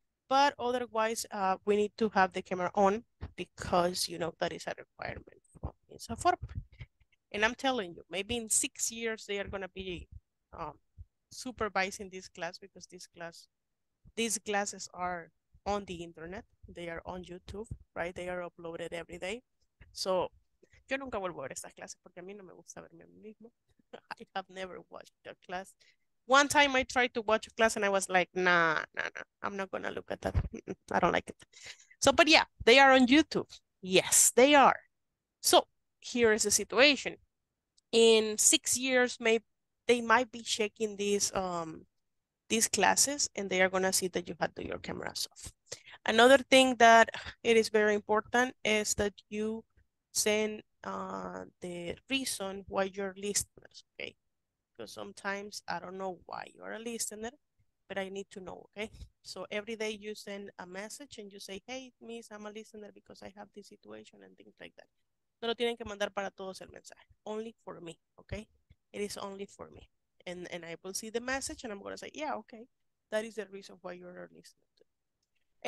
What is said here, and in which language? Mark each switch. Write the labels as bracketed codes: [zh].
[en] But otherwise, we need to have the camera on because, you know, that is a requirement. So far, and I'm telling you, maybe in 6 years they are gonna be supervising this class, because these classes are on the internet. They are on YouTube, right? They are uploaded every day. [es] So, yo nunca vuelvo a ver estas clases porque a mí no me gusta verme a mí mismo. [en] I have never watched a class. One time I tried to watch a class and I was like, nah, I'm not gonna look at that. I don't like it. So, but yeah, they are on YouTube. Yes, they are. So here is the situation. In 6 years, they might be checking these classes, and they are gonna see that you had to your cameras off. Another thing that it is very important is that you send the reason why you're listeners, okay? Because sometimes I don't know why you're a listener, but I need to know, okay? So every day you send a message and you say, hey, miss, I'm a listener because I have this situation and things like that. [es] No lo tienen que mandar para todos el mensaje. [en] Only for me, okay? It is only for me. And I will see the message and I'm going to say, yeah, okay. That is the reason why you're listening to.